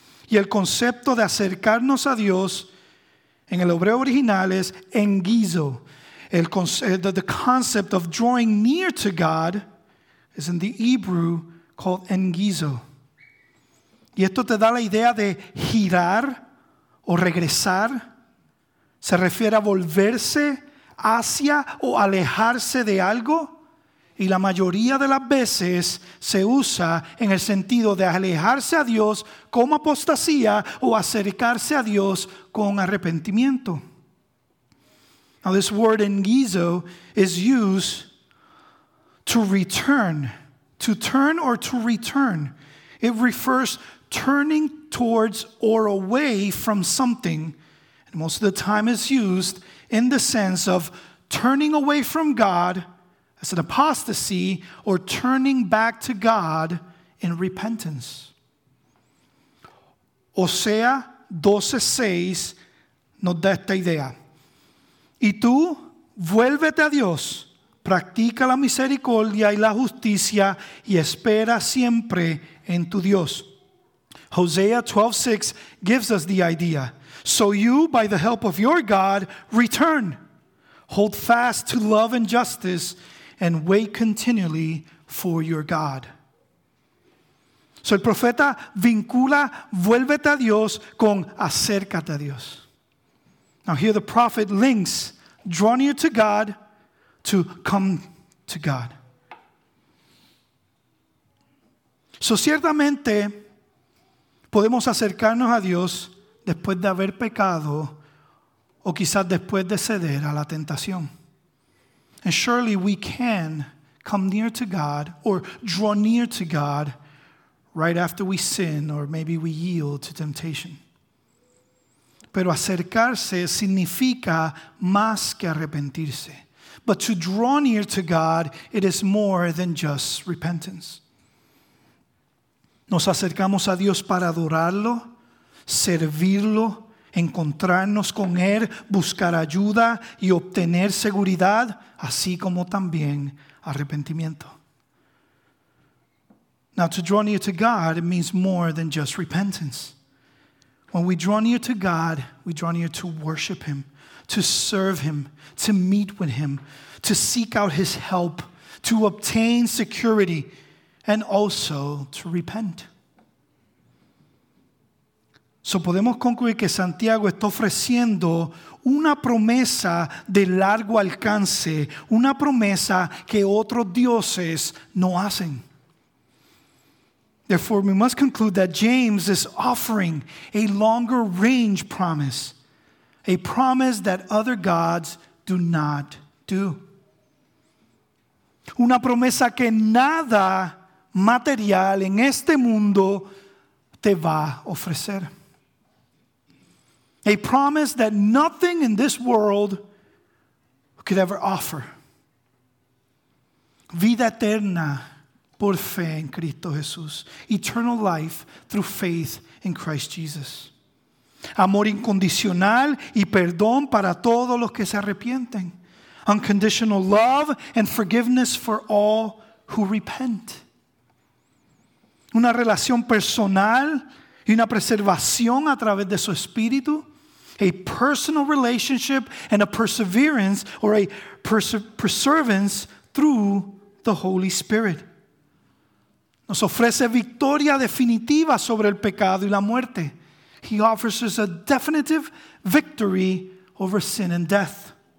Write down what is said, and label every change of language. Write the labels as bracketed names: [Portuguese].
[Spanish] Y el concepto de acercarnos a Dios en el hebreo original es engizo. [English] The concept of drawing near to God is in the Hebrew called engizo. [Spanish] Y esto te da la idea de girar o regresar. Se refiere a volverse hacia o alejarse de algo. Y la mayoría de las veces se usa en el sentido de alejarse a Dios como apostasía o acercarse a Dios con arrepentimiento. [English] Now this word engizo is used to return. To turn or to return. It refers turning towards or away from something. And most of the time it's used in the sense of turning away from God as an apostasy or turning back to God in repentance. [Spanish] Osea 12:6 nos da esta idea. Y tú, vuélvete a Dios, practica la misericordia y la justicia y espera siempre en tu Dios. [English] Hosea 12:6 gives us the idea. So you, by the help of your God, return. Hold fast to love and justice and wait continually for your God. [Spanish] So el profeta vincula vuélvete a Dios con acércate a Dios. [English] Now here the prophet links draw near to God to come to God. [Spanish] So ciertamente podemos acercarnos a Dios después de haber pecado o quizás después de ceder a la tentación. [English] And surely we can come near to God or draw near to God right after we sin or maybe we yield to temptation. [Spanish] Pero acercarse significa más que arrepentirse. [English] But to draw near to God, it is more than just repentance. [Spanish] Nos acercamos a Dios para adorarlo, servirlo, encontrarnos con Él, buscar ayuda y obtener seguridad, así como también arrepentimiento. [English] Now, to draw near to God means more than just repentance. When we draw near to God, we draw near to worship Him, to serve Him, to meet with Him, to seek out His help, to obtain security, and also to repent. [Spanish] So podemos concluir que Santiago está ofreciendo una promesa de largo alcance, una promesa que otros dioses no hacen. [English] Therefore, we must conclude that James is offering a longer range promise, a promise that other gods do not do. [Spanish] Una promesa que nada material en este mundo te va a ofrecer. [English] A promise that nothing in this world could ever offer. [Spanish] Vida eterna por fe en Cristo Jesús. [English] Eternal life through faith in Christ Jesus. [Spanish] Amor incondicional y perdón para todos los que se arrepienten. [English] Unconditional love and forgiveness for all who repent. [Spanish] Una relación personal y una preservación a través de su espíritu. [English] a personal relationship and a perseverance or a perseverance through the Holy Spirit. [Spanish] Nos ofrece victoria definitiva sobre el pecado y la muerte. [English] He offers us a definitive victory over sin and death.